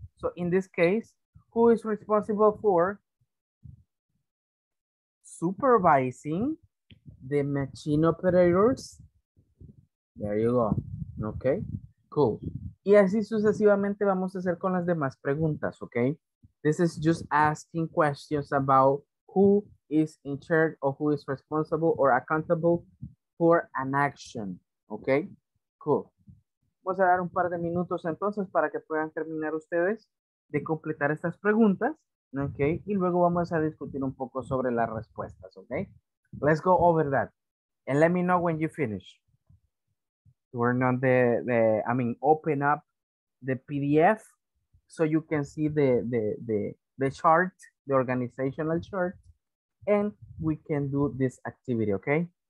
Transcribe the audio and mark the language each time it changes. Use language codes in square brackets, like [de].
[en] So in this case, who is responsible for supervising the machine operators? There you go. Okay, cool. [es] Y así sucesivamente vamos a hacer con las demás preguntas, okay? [en] This is just asking questions about who is in charge or who is responsible or accountable for an action, okay? Cool. [es] Vamos a dar un par de minutos entonces para que puedan terminar ustedes de completar estas preguntas, okay? Y luego vamos a discutir un poco sobre las respuestas, okay? [en] Let's go over that. And let me know when you finish. Turn on open up the PDF so you can see the chart, the organizational chart, and we can do this activity, okay?